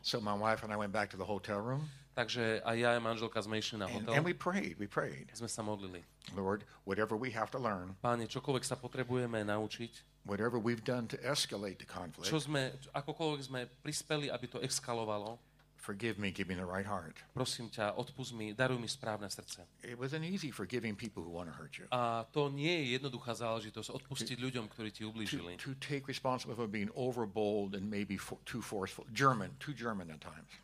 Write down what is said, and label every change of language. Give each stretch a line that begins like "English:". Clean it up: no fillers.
English: So my wife and I went back to the hotel room.
Slovak: Takže aj ja a manželka sme išli na hotel.
English: And we prayed.
Slovak: Sme sa modlili.
English: Lord, whatever we have to learn.
Slovak: Páne, čokoľvek sa potrebujeme naučiť.
English: Whatever we've done to escalate the conflict.
Slovak: Čo sme, akokoľvek sme prispeli, aby to eskalovalo.
English: Forgive me, give me the right heart.
Slovak: Prosím ťa, odpusť mi, daruj mi správne srdce.
English: It wasn't easy forgiving people who want to hurt you.
Slovak: A to nie je jednoduchá záležitosť odpustiť ľuďom, ktorí ti ublížili.
English: To take responsibility for being overbold and maybe too forceful. German, too German at times.